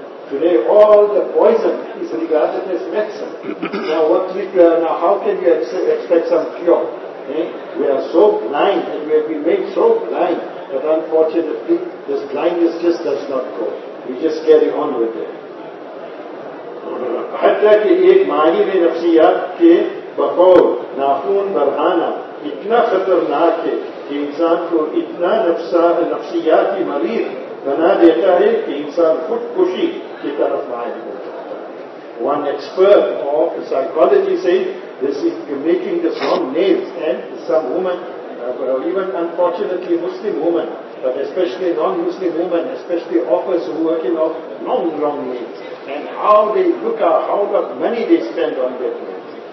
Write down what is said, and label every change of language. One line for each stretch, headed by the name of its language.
English: Today, all the poison is regarded as medicine. Now, how can you expect some cure? We are so blind, and we have been made so blind, that unfortunately, this blindness just does not go. We just carry on with it.
Urdu: حتیٰ کہ ایک ماہر نفسیات کے بقول ناخون بڑھانا اتنا خطرناک ہے کہ انسان کو اتنا نفسیاتی مریض بنا دیتا ہے کہ انسان خود کشی کی طرف مائل ہو جاتا ہے.
English: One expert of psychology said, this is making the wrong nails, and some women, even unfortunately Muslim women, but especially non-Muslim women, especially offers who work in off long nails, and how they look at how much money they spend on their nails,